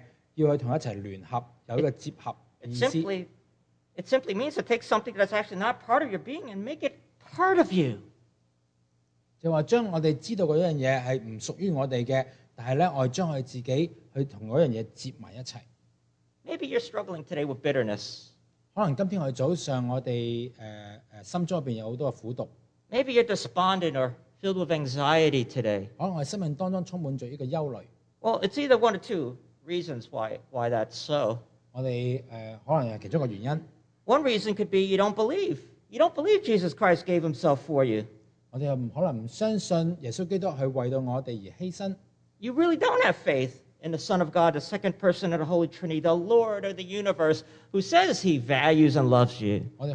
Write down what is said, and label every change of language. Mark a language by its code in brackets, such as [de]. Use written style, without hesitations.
[zh] 都說我要記得想起的意思,就是說中文我想到就是說,我們要去將我們自己想起那件事,要去跟一起聯合。 [en] It simply means to take something that's actually not part of your being and make it part of you. [zh] 就是說將我們知道那件事是不屬於我們的,但是我們將我們自己跟那件事結在一起。Maybe [en] you're struggling today with bitterness. [zh] 可能今天我們早上心中有很多苦毒。Maybe [en] you're despondent or filled with anxiety today. [zh] 可能我們生命當中充滿了一個憂慮。Well, [en] it's either one or two reasons why that's so. [zh] 我們可能是其中一個原因。 [en] One reason could be you don't believe. You don't believe Jesus Christ gave himself for you. [zh] 我們可能不相信耶穌基督為我們而犧牲。 [en] You really don't have faith in the Son of God, the second person of the Holy Trinity, the Lord of the universe, who says he values and loves you.